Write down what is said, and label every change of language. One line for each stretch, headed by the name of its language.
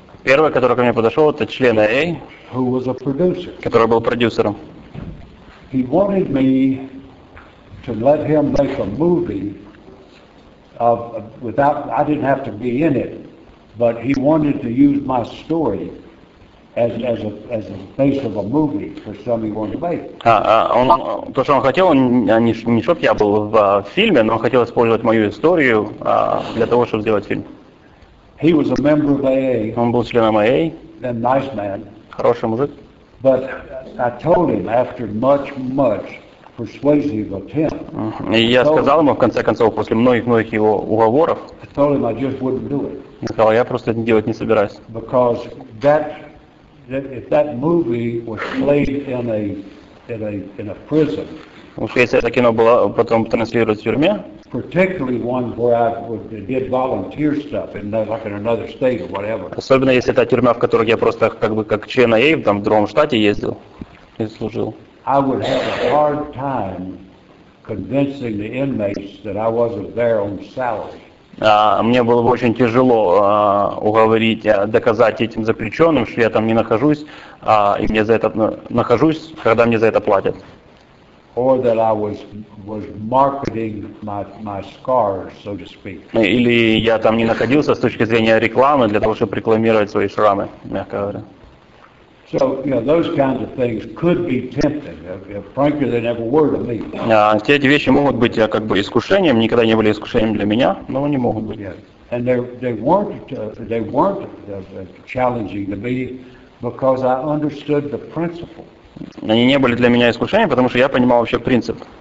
Russian: Первый, который ко мне подошел, это член AA.
English: Who was a producer.
Russian: Который был продюсером.
English: He wanted me to let him make a movie. Without, I didn't have to be in it. But he wanted to use my story as a base of a movie for something he wanted to make.
Russian: То, что он хотел, не чтоб я был в фильме, но он хотел использовать мою историю для того, чтобы сделать фильм.
English: He was a member of AA.
Russian: Он был членом AA.
English: A nice man.
Russian: Хороший мужик.
English: But I told him after much persuasive attempt.
Russian: И я сказал ему в конце концов после многих его уговоров.
English: I told him I just wouldn't do it.
Russian: Я сказал, я просто это делать не собираюсь.
English: Because if that movie was played in a prison.
Russian: Если это кино было потом транслировать в тюрьме.
English: Particularly one where I would did volunteer stuff in like in another state or whatever.
Russian: Особенно если это тюрьма, в которой я просто как член АА в другом штате ездил и служил.
English: I would have a hard time convincing the inmates that I wasn't there on salary.
Russian: Мне было бы очень тяжело доказать этим заключенным, что я там не нахожусь, и мне за это нахожусь, когда мне за это платят.
English: Or that I was marketing my scars, so to speak.
Russian: Или я там не находился с точки зрения рекламы для того, чтобы рекламировать свои шрамы, мягко говоря.
English: So, you know, those kinds of things could be tempting. Frankly, they never were to me.
Russian: Все эти вещи могут быть искушением, никогда не были искушением для меня, но они могут быть.
English: And they weren't challenging to me because I understood the principle.
Russian: Они не были для меня искушением, потому что я понимал вообще принцип.